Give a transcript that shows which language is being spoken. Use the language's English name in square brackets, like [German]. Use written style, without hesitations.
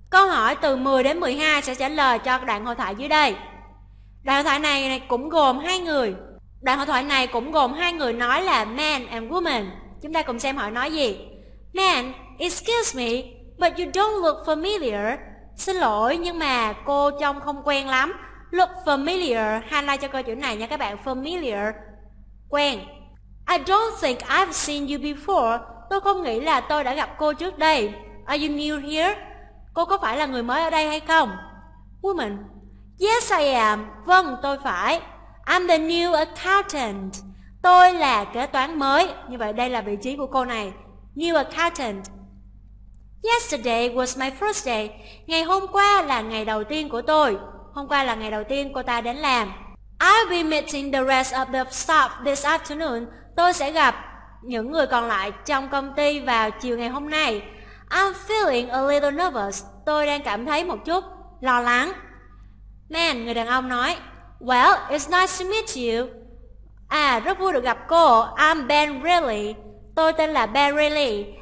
[Vietnamese] hỏi từ 10 đến 12 sẽ trả lời cho đoạn hội thoại dưới đây. Đoạn hội thoại này cũng gồm hai người. Đoạn hội thoại này cũng gồm hai người nói là man and woman. Chúng ta cùng xem họ nói gì. [English] Man, excuse me, but you don't look familiar. [Vietnamese] Xin lỗi nhưng mà cô trông không quen lắm. [English] Look familiar, [Vietnamese] highlight cho cô chữ này nha các bạn. [English] Familiar, quen. I don't think I've seen you before. [Vietnamese] Tôi không nghĩ là tôi đã gặp cô trước đây. [English] Are you new here? [Vietnamese] Cô có phải là người mới ở đây hay không? [English] Woman. Yes, I am. [Vietnamese] Vâng, tôi phải. [English] I'm the new accountant. [Vietnamese] Tôi là kế toán mới. Như vậy đây là vị trí của cô này. [English] New accountant. Yesterday was my first day. [Vietnamese] Ngày hôm qua là ngày đầu tiên của tôi. Hôm qua là ngày đầu tiên cô ta đến làm. [English] I'll be meeting the rest of the staff this afternoon. [Vietnamese] Tôi sẽ gặp những người còn lại trong công ty vào chiều ngày hôm nay. [English] I'm feeling a little nervous. [Vietnamese] Tôi đang cảm thấy một chút lo lắng. [English] Man, [Vietnamese] người đàn ông nói. [English] Well, it's nice to meet you. [Vietnamese] À, rất vui được gặp cô. [English] I'm Ben Reilly. [Vietnamese] Tôi tên là Ben Reilly.